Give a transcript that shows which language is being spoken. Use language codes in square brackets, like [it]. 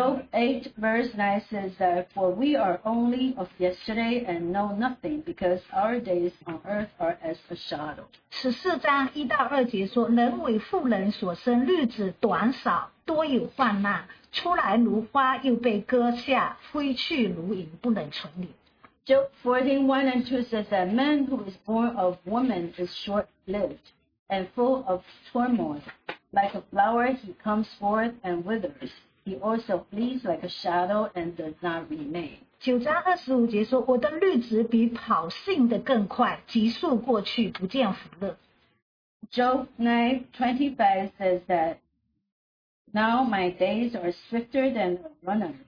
[en] 8:9 says that for we are only of yesterday and know nothing, because our days on earth are as a shadow. [zh] 14章1到2节说，人为妇人所生，日子短少，多有患难，出来如花，又被割下，飞去如影，不能存留。 [en] Job 14:1-2 says that man who is born of woman is short-lived and full of turmoil. Like a flower, he comes forth and withers. He also flees like a shadow and does not remain. [zh] 9章25节说，我的日子比跑信的更快，急速过去，不见福乐。 [en] Job 9:25 says that now my days are swifter than a runner.